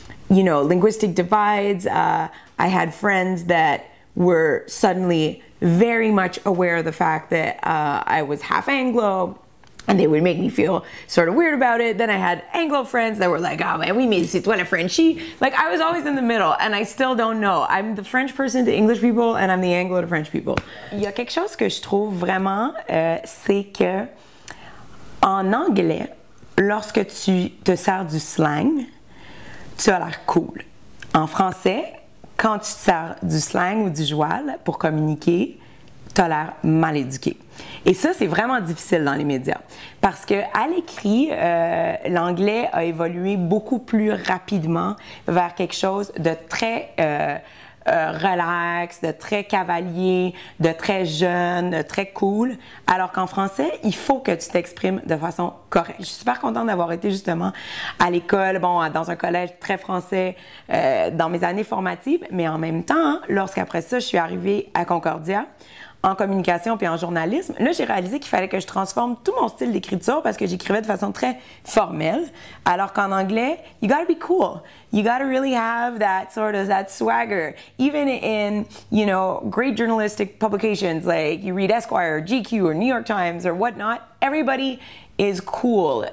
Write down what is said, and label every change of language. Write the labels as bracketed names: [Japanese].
[English] Linguistic divides. I had friends that were suddenly very much aware of the fact that I was half Anglo, and they would make me feel sort of weird about it. Then I had Anglo friends that were like, oh man, we made [French] c'est toi la Frenchie. [English] Like, I was always in the middle, and I still don't know. I'm the French person to English people, and I'm the Anglo to French people. [French] Il y a quelque chose que je trouve vraiment, c'est que en anglais, lorsque tu te sers du slang, tu as l'air cool. En français, quand tu te sers du slang ou du joual pour communiquer, tu as l'air mal éduqué. Et ça, c'est vraiment difficile dans les médias. Parce que à l'écrit, l'anglais a évolué beaucoup plus rapidement vers quelque chose de très relax, de très cavalier, de très jeune, de très cool. Alors qu'en français, il faut que tu t'exprimes de façon correcte. Je suis super contente d'avoir été justement à l'école, bon, dans un collège très français, dans mes années formatives. Mais en même temps, lorsqu'après ça, je suis arrivée à Concordia, en communication puis en journalisme, là, j'ai réalisé qu'il fallait que je transforme tout mon style d'écriture parce que j'écrivais de façon très formelle. Alors qu'en anglais, [English] you gotta be cool. You gotta really have that sort of, that swagger. Even in, you know, great journalistic publications, like you read Esquire or GQ or New York Times or whatnot, everybody is cool.